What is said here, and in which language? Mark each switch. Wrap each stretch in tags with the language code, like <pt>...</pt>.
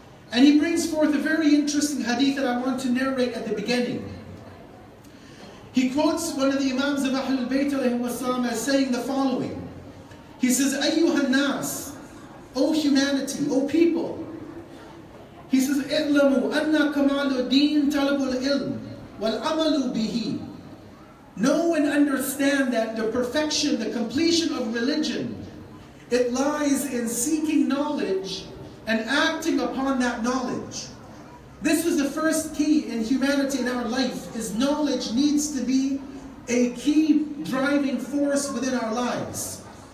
<en>And he brings forth a very interesting hadith that I want to narrate at the beginning. He quotes one of the Imams of Ahlul Bayt as saying the following. He says,</en> <ar>أيها الناس,</ar> <en>O humanity, O people. He says,</en> <ar>اعلموا أن كمال الدين طلب العلم والعمل به.</ar> <en>Know and understand that the perfection, the completion of religion, it lies in seeking knowledge and acting upon that knowledge. This is the first key in humanity in our life, is knowledge needs to be a key driving force within our lives.</en>